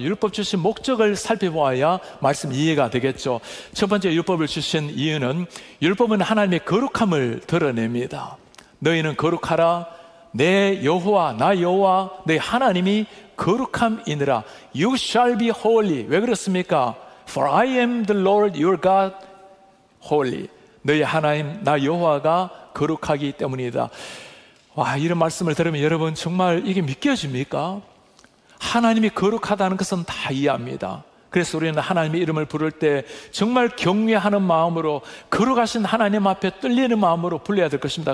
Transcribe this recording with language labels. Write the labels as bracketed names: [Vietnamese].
[Korean] 율법 주신 목적을 살펴보아야 말씀 이해가 되겠죠. 첫 번째, 율법을 주신 이유는 율법은 하나님의 거룩함을 드러냅니다. 너희는 거룩하라. 내 여호와, 나 여호와, 내 하나님이 거룩함이니라. [English] You shall be holy. [Korean] 왜 그렇습니까? [English] For I am the Lord your God holy. [Korean] 너희 하나님 나 여호와가 거룩하기 때문이다. 와, 이런 말씀을 들으면 여러분 정말 이게 믿겨집니까? 하나님이 거룩하다는 것은 다 이해합니다. 그래서 우리는 하나님의 이름을 부를 때 정말 경외하는 마음으로, 거룩하신 하나님 앞에 떨리는 마음으로 불러야 될 것입니다.